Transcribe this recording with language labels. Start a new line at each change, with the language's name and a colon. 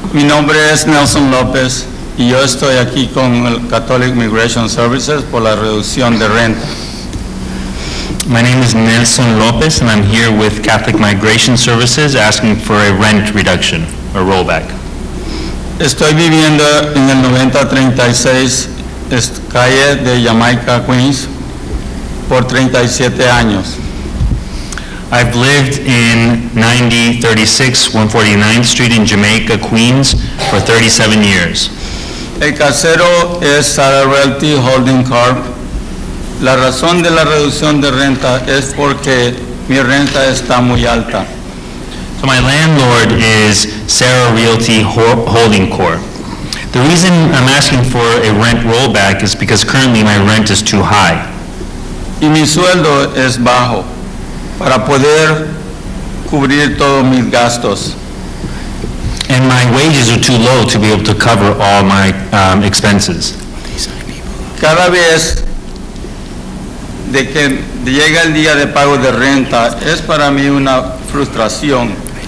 Spanish: Mi nombre es Nelson López y yo estoy aquí con el Catholic Migration Services por la reducción de renta.
English: My name is Nelson López and I'm here with Catholic Migration Services asking for a rent reduction, a rollback.
Spanish: Estoy viviendo en el 9036 calle de Jamaica, Queens, por 37 años.
English: I've lived in 9036 149th Street in Jamaica, Queens, for 37 years.
Spanish: El casero es Sara Realty Holding Corp. La razón de la reducción de renta es porque mi renta está muy alta.
English: So my landlord is Sara Realty Holding Corp. The reason I'm asking for a rent rollback is because currently my rent is too high.
Spanish: Y mi sueldo es bajo para poder cubrir todos mis gastos.
English: And my wages are too low to be able to cover all my expenses.
Spanish: Cada vez de que llega el día de pago de renta es para mí una frustración.